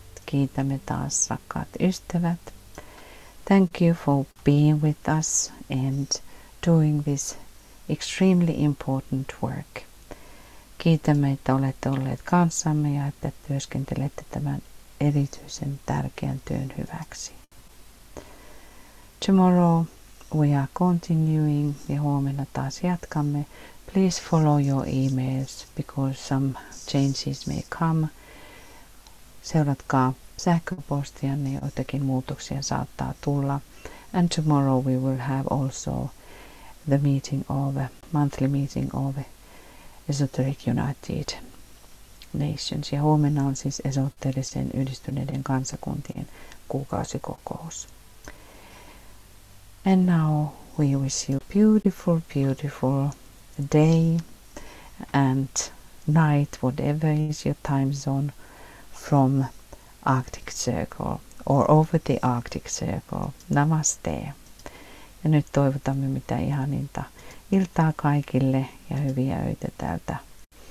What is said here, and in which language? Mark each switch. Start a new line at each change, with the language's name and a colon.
Finnish: Kiitämme taas, rakkaat ystävät.
English: Thank you for being with us and doing this extremely important work.
Finnish: Kiitämme, että olette olleet kanssamme ja että työskentelette tämän erityisen tärkeän työn hyväksi.
English: Tomorrow we are continuing
Finnish: ja huomenna taas jatkamme.
English: Please follow your emails because some changes may come.
Finnish: Seuratkaa sähköpostia, niin jotakin muutoksia saattaa tulla.
English: And tomorrow we will have also the meeting of, monthly meeting of Esoteric United Nations.
Finnish: Ja huomenna on siis esoterisen yhdistyneiden kansakuntien kuukausikokous.
English: And now we wish you beautiful, beautiful day and night, whatever is your time zone, from Arctic Circle or over the Arctic Circle. Namaste.
Finnish: Ja nyt toivotamme mitä ihaninta iltaa kaikille ja hyviä öitä täältä Napapinin toiselta puolen. And namaste.